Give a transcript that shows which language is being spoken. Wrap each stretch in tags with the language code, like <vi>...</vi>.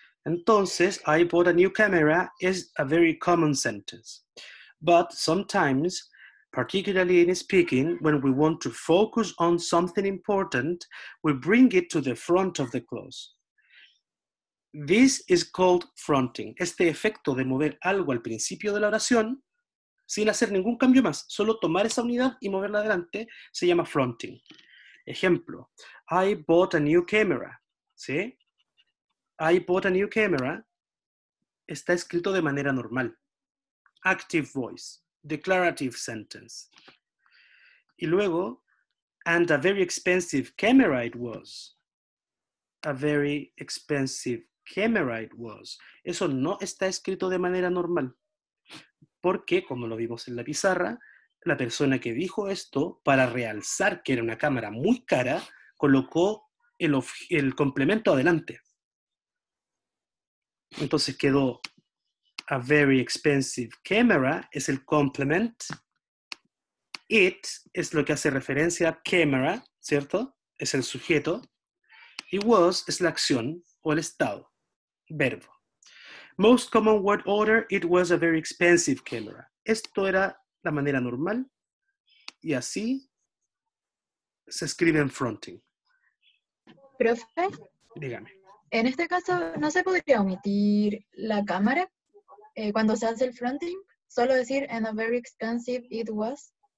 <en>Entonces, I bought a new camera is a very common sentence. But sometimes, particularly in speaking, when we want to focus on something important, we bring it to the front of the clause. This is called fronting.</en> <es>Este efecto de mover algo al principio de la oración, sin hacer ningún cambio más, solo tomar esa unidad y moverla adelante, se llama fronting.</es> <en>Ejemplo, I bought a new camera. ¿Sí? I bought a new camera.</en> <es>Está escrito de manera normal.</es> <en>Active voice. Declarative sentence.</en> <es>Y luego,</es> <en>and a very expensive camera it was. A very expensive camera it was.</en> <es>Eso no está escrito de manera normal. Porque, como lo vimos en la pizarra, la persona que dijo esto, para realzar que era una cámara muy cara, colocó el complemento adelante. Entonces quedó...</es> <en>A very expensive camera</en> <es>es el</es> <en>complement.</en> <es>It es lo que hace referencia a camera, ¿cierto? Es el sujeto. Y was es la acción o el estado, verbo.</es> <en>Most common word order, it was a very expensive camera.</en> <es>Esto era la manera normal. Y así se escribe en fronting. ¿Profe? Dígame. En este caso, ¿no se podría omitir la cámara? Cuando se hace el fronting, solo decir,</es> <en>and a very expensive it was.</en>